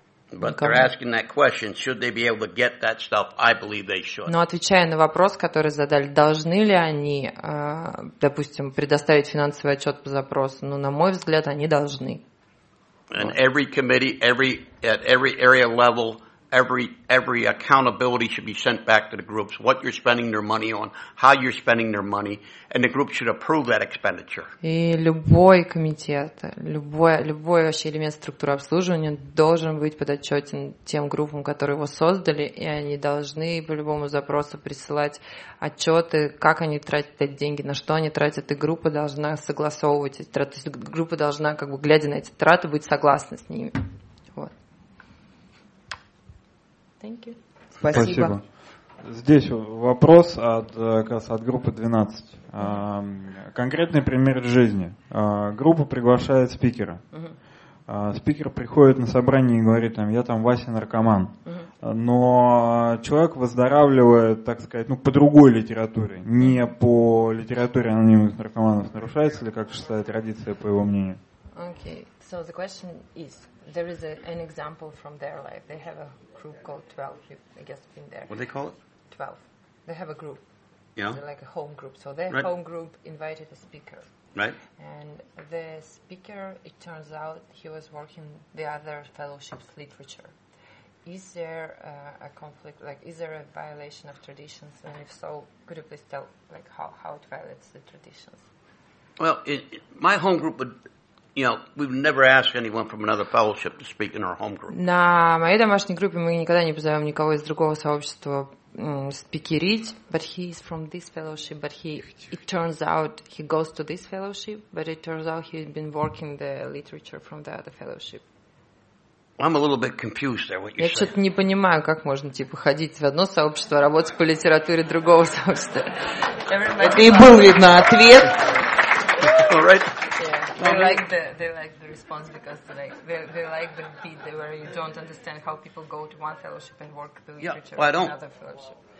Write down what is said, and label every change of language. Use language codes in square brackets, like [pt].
[en] But they're asking that question, should they be able to get that stuff? I believe they should. [ru] Но отвечая на вопрос, который задали, должны ли они, допустим, предоставить финансовый отчет по запросу, ну, на мой взгляд, они должны. [en] And every committee, at every area level, every accountability should be sent back to the groups, what you're spending their money on, how you're spending their money, and the group should approve that expenditure. [ru] И любой комитет, любой вообще элемент структуры обслуживания должен быть подотчетен тем группам, которые его создали, и они должны по любому запросу присылать отчеты, как они тратят эти деньги, на что они тратят, и группа должна согласовывать эти траты, то есть группа должна, как бы, глядя на эти траты, быть согласна с ними. [en] Thank you. [ru] Спасибо. Здесь вопрос от группы 12. Конкретный пример жизни. Группа приглашает спикера. Спикер приходит на собрание и говорит, там, я там Вася наркоман. Но человек выздоравливает, так сказать, ну, по другой литературе, не по литературе анонимных наркоманов. Нарушается ли как шестая традиция, по его мнению? [en] Okay, so the question is, there is an example from their life. They have a group called 12. You've, I guess, been there. What do they call it? 12. They have a group. Yeah. They're like a home group. So their right. home group invited a speaker. Right. And the speaker, it turns out, he was working the other fellowship's literature. Is there a conflict, like, is there a violation of traditions? And if so, could you please tell, like, how it violates the traditions? Well, my home group would... You know, we've never asked anyone from another fellowship to speak in our home group. [ru] На моей домашней группе мы никогда не позовем никого из другого сообщества спикерить. [en] But he is from this fellowship. But he, it turns out, he goes to this fellowship. But it turns out he's been working the literature from the other fellowship. I'm a little bit confused there. What you're saying? [ru] Я что-то не понимаю, как можно типа ходить в одно сообщество, работать по литературе другого сообщества. Это и был видно ответ. [en] All right. They like the response because they like the beat where you don't understand how people go to one fellowship and work the literature in another fellowship.